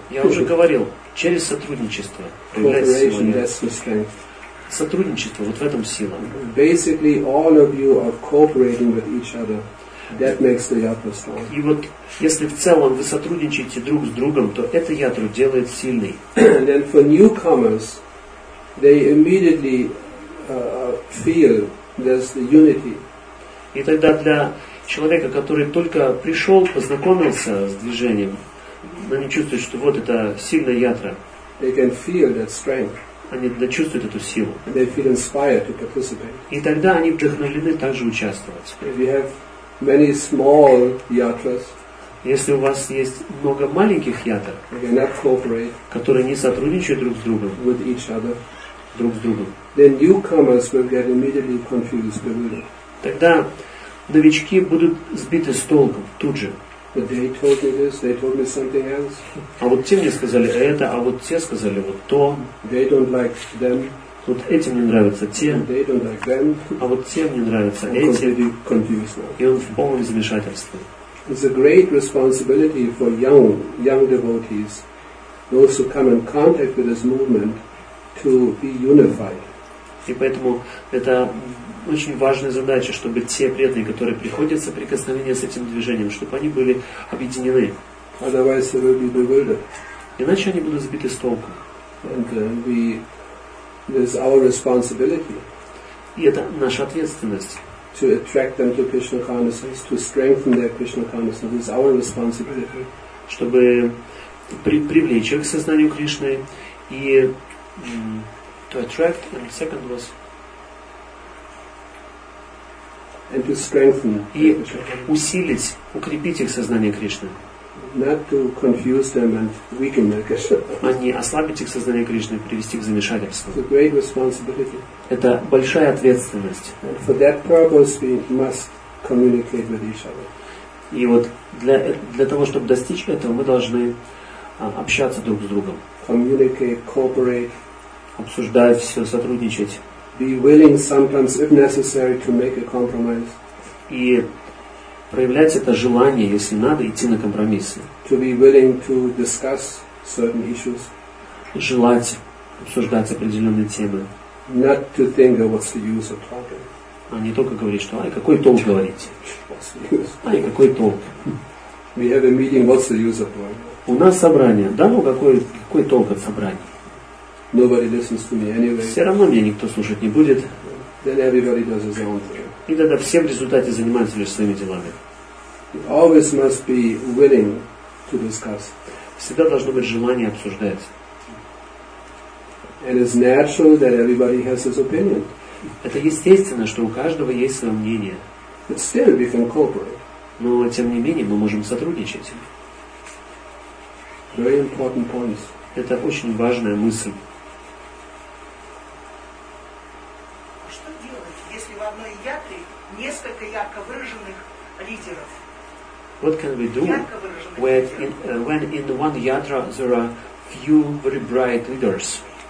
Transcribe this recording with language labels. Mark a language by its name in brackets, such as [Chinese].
[Russian] Я уже говорил, через сотрудничество. [English] Cooperation, that's the strength. [Russian] Сотрудничество, вот в этом сила. [English] Basically, all of you are cooperating with each other. That makes the yatra strong. [Russian] И вот, если в целом вы сотрудничаете друг с другом, то это ятру делает сильной. [English] And then for newcomers, they immediately feel there's the unity. [Russian] И тогда для человека, который только пришел, познакомился с движением, они чувствуют, что вот это сильная ятра. [English] They can feel that strength. [Russian] Они чувствуют эту силу. [English] And they feel inspired to participate. [Russian] И тогда они вдохновлены также участвовать. [English] If you have many small yatras, [Russian] если у вас есть много маленьких ятр, [English] they cannot cooperate, [Russian] которые не сотрудничают друг с другом, [English] with each other, [Russian] друг с другом, [English] then newcomers will get immediately confused, bewildered. [Russian] Тогда новички будут сбиты с толку тут же. [English] But they told me this, they told me something else. [Russian] А вот те мне сказали это, а вот те сказали вот то. [English] They don't like them. [Russian] Вот этим не нравятся те. [English] They don't like them. [Russian] А вот тем не нравятся эти. [English] Confused now. [Russian] И он в полном замешательстве. [English] It's a great responsibility for young devotees, those who come in contact with this movement, to be unified. [Russian] И поэтому это очень важная задача, чтобы те преданные, которые приходят в соприкосновение с этим движением, чтобы они были объединены. [English] Otherwise they will be bewildered. [Russian] Иначе они будут сбиты с толку. [English] And this is our responsibility. [Russian] И это наша ответственность. [English] To attract them to Krishna consciousness, to strengthen their Krishna consciousness, is our responsibility. [Russian] Чтобы привлечь их к сознанию Кришны и [English] to attract, and second was and to strengthen [Russian] и усилить, укрепить их сознание Кришны. [English] Not to confuse them and weaken their Krishna. [Russian] А не ослабить их сознание Кришны, привести к замешательству. [English] It's a great responsibility. [Russian] Это большая ответственность. [English] And for that purpose, we must communicate with each other. [Russian] И вот для того, чтобы достичь этого, мы должны общаться друг с другом. [English] Communicate, cooperate. [Russian] Обсуждать все, сотрудничать. [English] Be willing sometimes, if necessary, to make a compromise. [Russian] И проявлять это желание, если надо, идти на компромиссы. [English] To be willing to discuss certain issues. [Russian] Желать обсуждать определенные темы. [English] Not to think of what's the use of talking. [Russian] А не только говорить, что, ай, какой толк говорить? Ай, какой толк? [English] We have a meeting, what's the use of talking? [Russian] У нас собрание. Да ну, какой толк от собрания? [English] Nobody listens to me anyway. [Russian] Все равно меня никто слушать не будет. [English] Then everybody does his own thing. [Russian] И тогда все в результате занимаются лишь своими делами. [English] Always must be willing to discuss. [Russian] Всегда должно быть желание обсуждать. [English] And it's natural that everybody has his opinion. [Russian] Это естественно, что у каждого есть свое мнение. [English] But still we can cooperate. [Russian] Но тем не менее мы можем сотрудничать. [English] Very important points. [Russian] Это очень важная мысль. Что делать, если в одной ятре несколько ярко выраженных лидеров? [English] What can we do when in one yatra there are few very bright leaders?